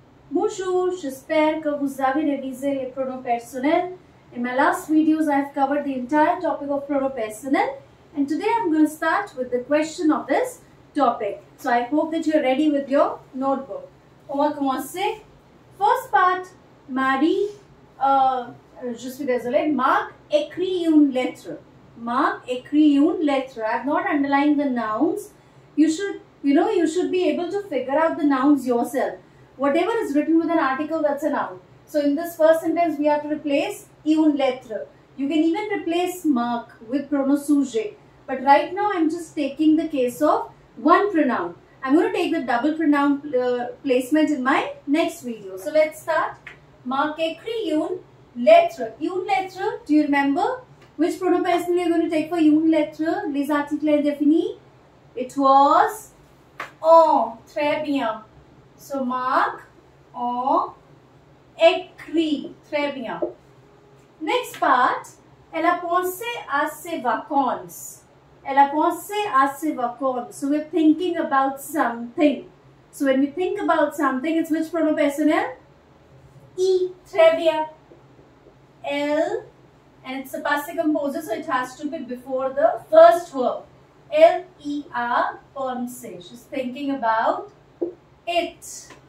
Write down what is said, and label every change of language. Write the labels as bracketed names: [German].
[French] Bonjour, j'espère que vous avez révisé les pronoms personnels. [English] In my last videos, I have covered the entire topic of pronoms personnel. And today, I'm going to start with the question of this topic. So, I hope that you're ready with your notebook. [French] On va commencer. [English] First part, [French] Marie, je suis désolée, Marc écrit une lettre. Marc écrit une lettre. [English] I have not underlined the nouns. You should be able to figure out the nouns yourself. Whatever is written with an article, that's a noun. So, in this first sentence, we have to replace une lettre. You can even replace Marc with pronoun sujet. But right now, I'm just taking the case of one pronoun. I'm going to take the double pronoun placement in my next video. So, let's start. [French] Marc écrit une lettre. Une lettre, [English] do you remember? [French] Which pronoun personnel you're going to take for une lettre? Les articles indéfinis? [English] It was en. [French] Très bien. So, Marc en écrit. Très bien. [English] Next part, [French] elle a pensé à ses vacances. Elle a pensé à ses vacances. [English] So, we're thinking about something. So, when we think about something, it's which pronoun personnel? I. [French] Très bien. [English] Elle, and it's a passé composé, so it has to be before the first verb. [French] Elle a pensé. [English] She's thinking about it.